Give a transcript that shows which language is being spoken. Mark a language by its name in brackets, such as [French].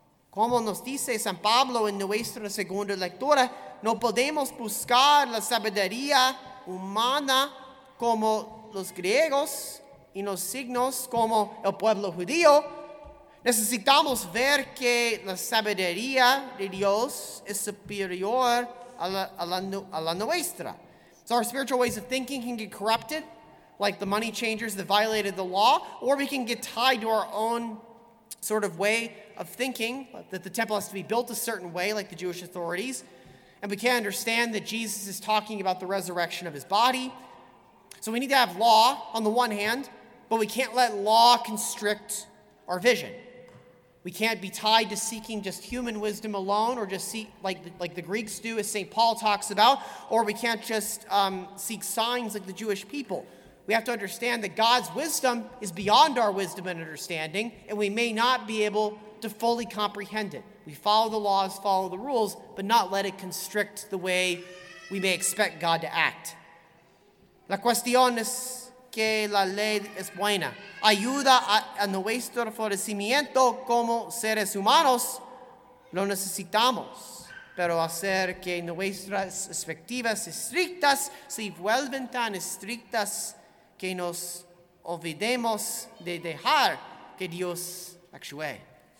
[Spanish] Como nos dice San Pablo en nuestra segunda lectura, no podemos buscar la sabiduría humana como los griegos y los signos como el pueblo judío. Necesitamos ver que la sabiduría de Dios es superior a la nuestra. [English] So our spiritual ways of thinking can get corrupted, like the money changers that violated the law, or we can get tied to our own sort of way of thinking, that the temple has to be built a certain way, like the Jewish authorities, and we can't understand that Jesus is talking about the resurrection of his body. So we need to have law on the one hand, but we can't let law constrict our vision. We can't be tied to seeking just human wisdom alone or just seek like the Greeks do, as St. Paul talks about, or we can't just seek signs like the Jewish people. We have to understand that God's wisdom is beyond our wisdom and understanding, and we may not be able to fully comprehend it. We follow the laws, follow the rules, but not let it constrict the way we may expect God to act. [Spanish] La cuestión es que la ley es buena. Ayuda a nuestro florecimiento como seres humanos. Lo necesitamos. Pero hacer que nuestras expectativas estrictas se vuelven tan estrictas que nos olvidemos de dejar que Dios actúe.